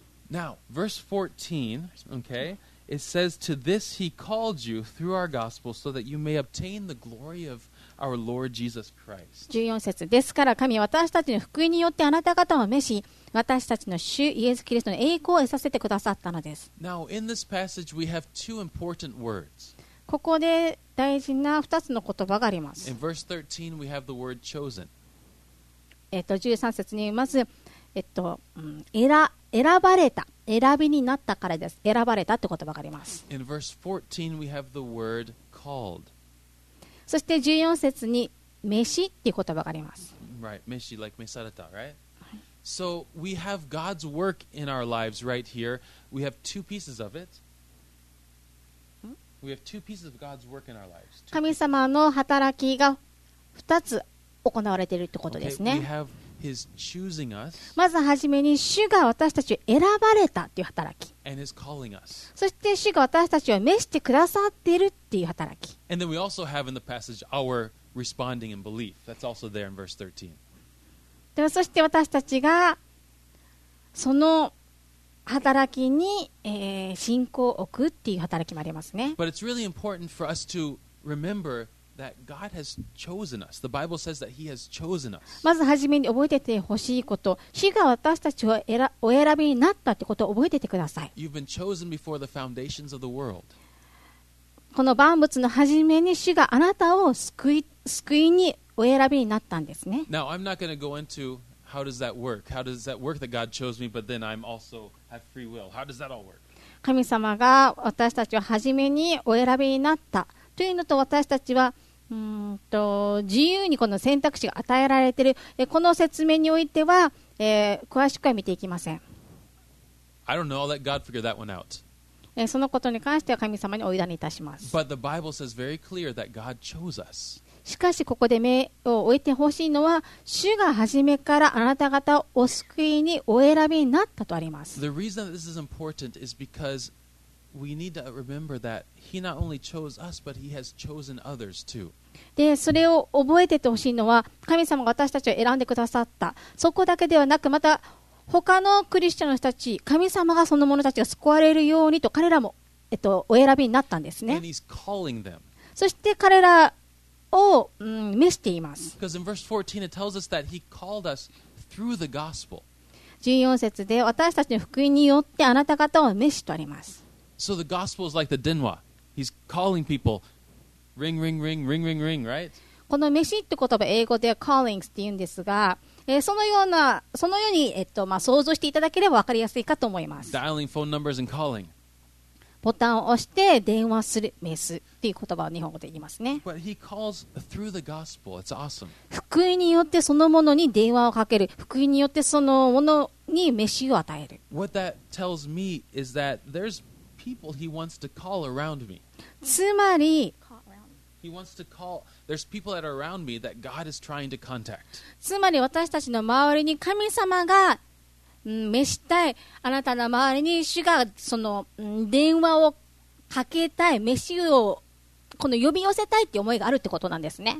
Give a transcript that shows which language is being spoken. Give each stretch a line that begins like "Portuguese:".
English: Now, verse 14, okay, it says, to this he called you through our gospel so that you may obtain the glory of our Lord Jesus Christ.
Japanese: 14節ですから神は私たちの福音によってあなた方を召し私たちの主イエス・キリストの栄光を得させてくださったのです。
English: Now, in this passage, we have two important words.
Japanese: ここで大事な2つの言葉があります。
English: In verse 13, we have the word chosen.
Japanese: 13節にまず、選ばれた、選びになったからです。選ばれたって言葉があります。
English: In verse 14, we have the word called.
Japanese: そして14節に召しっていう言葉があります。
English: Right, 召し、like 召された、right? So we have God's work in our lives right here. We have two pieces of it. We have two pieces of God's work in our lives.
Japanese: 神様の働きが2つ行われているってことですね。
English: Okay, we have his choosing us.
Japanese: まずはじめに主が私たちを選ばれたっていう働き。
English: And his calling us.
Japanese: そして主が私たちを召してくださっているっていう働き。
English: And then we also have in the passage our responding in belief. That's also there in verse 13.
Japanese: でそして私たちがその働きに、信仰を置くっていう働きもありますね。
English: But it's really important for us to remember that God has chosen us. The Bible says that He has chosen us.
Japanese: まず初めに覚えててほしいこと、主が私たちをお選びになったってことを覚えててください。
English: You've been chosen before the foundations of the world.
Japanese: この万物の初めに主があなたを救いにお選びになったんですね。
English: Now, I'm not going to go into how does that work? How does that work that God chose me, but then I'm also have free will? How does that all work?
Japanese: 神様が私たちを初めにお選びになったというのと私たちは自由にこの選択肢が与えられている。この説明においては、詳しくは見ていきません。
English: I don't know. I'll let God figure that one out.
Japanese: そのことに関しては神様にお委ねいたします。
English: But the Bible says very clear that God chose us.
Japanese: しかしここで目を置いてほしいのは主が初めからあなた方をお救いにお選びになったとあります。
English: The reason that this is important is because we need to remember that he not only chose us but he has chosen others too.
Japanese: でそれを覚えててほしいのは神様が私たちを選んでくださったそこだけではなくまた他のクリスチャンの人たち神様がその者たちが救われるようにと彼らも、お選びになったんですね。
English: And he's calling them.
Japanese: そして彼らを召しています。
English: Because in verse 14 it tells us that he called us through the gospel.
Japanese: 14節で私たちの福音によってあなた方を召しとあります。
English: So the gospel is like the dinwa. He's calling people ring ring ring ring ring ring, right?
Japanese: この召しって言葉英語では callings って言うんですが、そのように、想像していただければ分かりやすいかと思います。
English: Dialing phone numbers and calling
Japanese: ボタンを押して電話するメスっていう言葉を日本語で言いますね。
English: But he calls through the gospel. It's awesome.
Japanese: 福音によってそのものに電話をかける。福音によってそのものにメシを与える。
English: What that tells me is that there's people he wants to call around me.
Japanese: つまり、
English: he wants to call. There's people that are around me that God is trying to contact.
Japanese: つまり私たちの周りに神様が召したい、あなたの周りに主がその電話をかけたい、召しをこの呼び寄せたいって思いがあるってことなんですね。